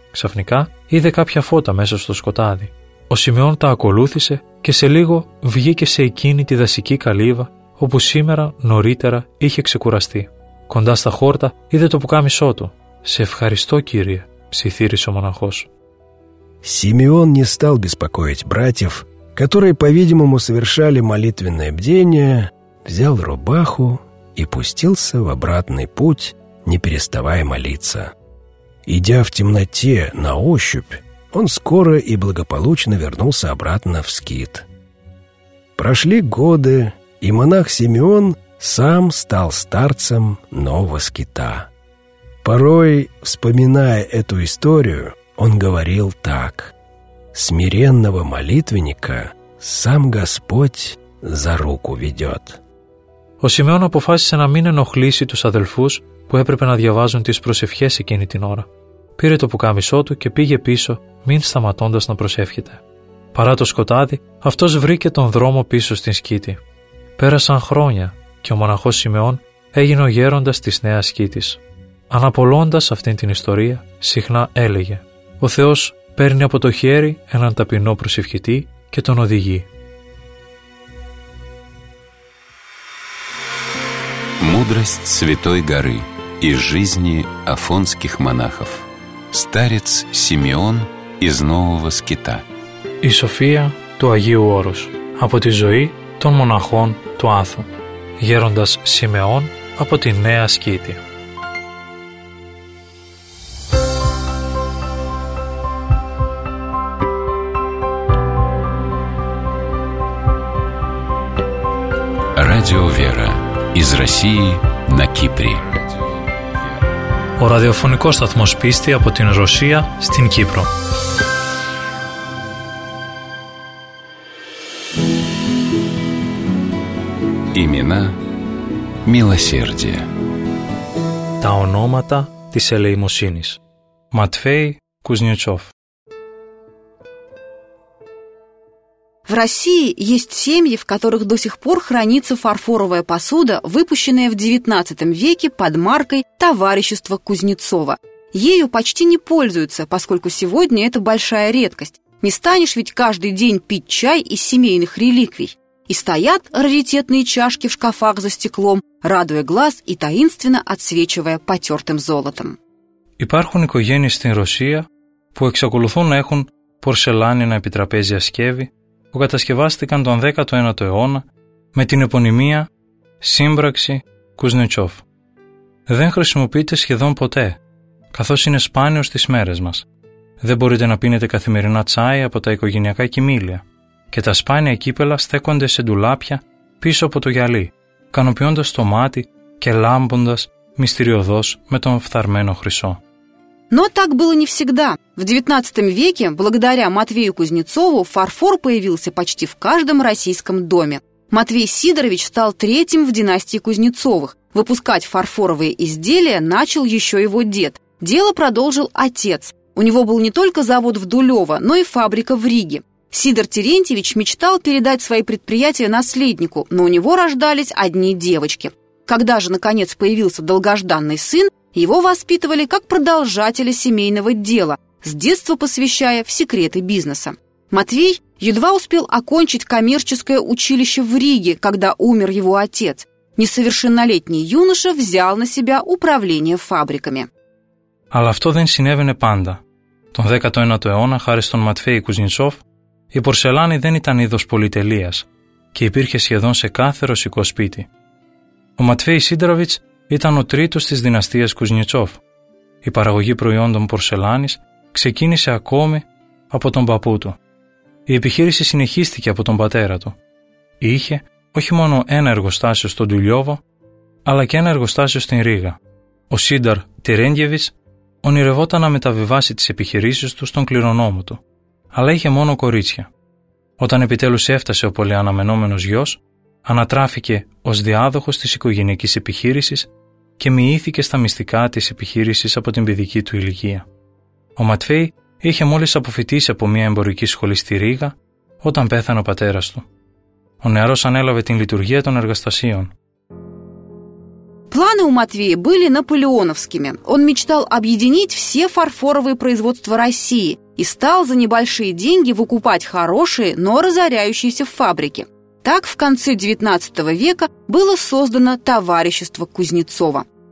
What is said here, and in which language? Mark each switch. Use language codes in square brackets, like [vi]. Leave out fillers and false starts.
[el] Ξαφνικά είδε κάποια φώτα μέσα στο σκοτάδι. Ο Σιμεών τα ακολούθησε και σε λίγο βγήκε σε εκείνη τη δασική καλύβα όπου σήμερα νωρίτερα είχε ξεκουραστεί. Κοντά στα χόρτα είδε το πουκάμισό του. «Σε ευχαριστώ, Κύριε», ψιθύρισε ο μοναχός. [ru] Симеон не стал беспокоить братьев, которые, по-видимому, совершали молитвенное бдение, взял рубаху и пустился в обратный путь, не переставая молиться. Идя в темноте на ощупь, он скоро и благополучно вернулся обратно в скит. Прошли годы, и монах Симеон сам стал старцем нового скита. Порой, вспоминая эту историю, он говорил так: «Смиренного молитвенника сам Господь за руку ведет». [el] Ο Σιμεών αποφάσισε να μην ενοχλήσει τους αδελφούς που έπρεπε να διαβάζουν τις προσευχές εκείνη την ώρα. Πήρε το πουκάμισό του και πήγε πίσω, μην σταματώντας να προσεύχεται. Παρά το σκοτάδι, αυτός βρήκε τον δρόμο πίσω στην σκήτη. Πέρασαν χρόνια και ο μοναχός Σιμεών έγινε ο γέροντας της νέας σκήτης. Αναπολώντας αυτήν την ιστορία, συχνά έλεγε: «Ο Θεός παίρνει από το χέρι έναν ταπεινό προσευχητή και τον οδηγεί». [ru] Мудрость Святой Горы из жизни афонских монахов. Старец Симеон из Нового Скита. [el] Η Σοφία του Αγίου Όρους από τη ζωή των μοναχών του Άθου. Γέροντας Σιμεών από τη Νέα Σκήτη. [ru] Радио Вера из России на Кипре. [el] Ο ραδιοφωνικός σταθμός πίστη από την Ρωσία στην Κύπρο. [ru] Имена милосердия. [el] Τα ονόματα της ελεημοσύνης. Ματφέι Κουζνιουτσόφ. [ru] В России есть семьи, в которых до сих пор хранится фарфоровая посуда, выпущенная в XIX веке под маркой «Товарищество Кузнецова». Ею почти не пользуются, поскольку сегодня это большая редкость. Не станешь ведь каждый день пить чай из семейных реликвий. И стоят раритетные чашки в шкафах за стеклом, радуя глаз и таинственно отсвечивая потертым золотом. [el] Υπάρχουν οικογένειες στην Ρωσία, που εξακολουθούν να έχουν πορσελάνινα επιτραπέζια σκεύη, που κατασκευάστηκαν τον 19ο αιώνα με την επωνυμία Σύμπραξη Κουζνετσόφ. Δεν χρησιμοποιείται σχεδόν ποτέ, καθώς είναι σπάνιο στις μέρες μας. δεν μπορείτε να πίνετε καθημερινά τσάι από τα οικογενειακά κοιμήλια και τα σπάνια κύπελα στέκονται σε ντουλάπια πίσω από το γυαλί, κανοποιώντας το μάτι και λάμποντας мистериозос με τον φθαρμένο χρυσό. [ru] Но так было не всегда. В XIX веке, благодаря Матвею Кузнецову, фарфор появился почти в каждом российском доме. Матвей Сидорович стал третьим в династии Кузнецовых. Выпускать фарфоровые изделия начал еще его дед. Дело продолжил отец. У него был не только завод в Дулево, но и фабрика в Риге. Сидор Терентьевич мечтал передать свои предприятия наследнику, но у него рождались одни девочки. Когда же, наконец, появился долгожданный сын, его воспитывали как продолжателя семейного дела, с детства посвящая в секреты бизнеса. Матвей едва успел окончить коммерческое училище в Риге, когда умер его отец. Несовершеннолетний юноша взял на себя управление фабриками. Но это не [el] συνέβαινε πάντα. Τον 19ο αιώνα, χάρη στον Ματφέη Κουζνητσόφ, η πορσελάνη δεν ήταν είδος πολυτελείας και υπήρχε σχεδόν σε κάθε ρωσικό σπίτι. Ο Ματφέη Σίδωροβιτς ήταν ο τρίτος της δυναστείας Κουζνητσόφ. Η παραγωγή προϊόντων πορσελάνης ξεκίνησε ακόμη από τον παππού του. Η επιχείρηση συνεχίστηκε από τον πατέρα του. Είχε όχι μόνο ένα εργοστάσιο στον Τουλιόβο, αλλά και ένα εργοστάσιο στην Ρίγα. Ο Σίδωρ Τερέντιεβιτς ονειρευόταν να μεταβιβάσει τις επιχειρήσεις του στον κληρονόμο του, αλλά είχε μόνο κορίτσια. Όταν επιτέλους έφτασε ο πολυαναμενόμενος γιος, ανατράφηκε ως διάδοχος της οικογενειακής επιχείρησης και μοιήθηκε στα μυστικά της επιχείρησης από την παιδική του ηλικία. Ο Ματφέη είχε μόλις αποφοιτήσει από μια εμπορική σχολή στη Ρίγα όταν πέθανε ο πατέρας του. Ο νεαρός ανέλαβε την λειτουργία των εργοστασίων. [ru] Планы у Матвея были наполеоновскими. Он мечтал объединить все фарфоровые производства России и стал за небольшие деньги выкупать хорошие, но разоряющиеся фабрики. Так в конце XIX века было создано товарищество Кузнецова.